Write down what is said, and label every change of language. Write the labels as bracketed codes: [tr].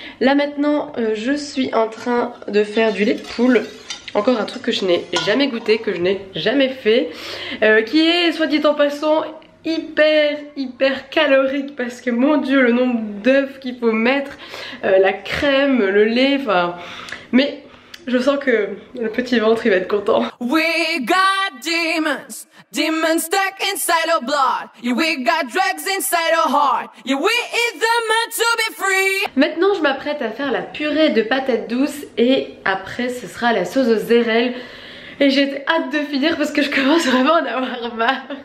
[fr] Là maintenant je suis en train de faire du lait de poule, encore un truc que je n'ai jamais goûté, que je n'ai jamais fait, qui est soit dit en passant hyper hyper calorique parce que mon dieu le nombre d'œufs qu'il faut mettre, la crème, le lait, enfin, mais... je sens que le petit ventre il va être content. [en] We got demons, demons stuck inside our blood. We got drugs inside our heart. We eat them to be free. [fr] Maintenant, je m'apprête à faire la purée de patates douces et après ce sera la sauce aux érelles. Et j'ai hâte de finir parce que je commence vraiment à en avoir marre.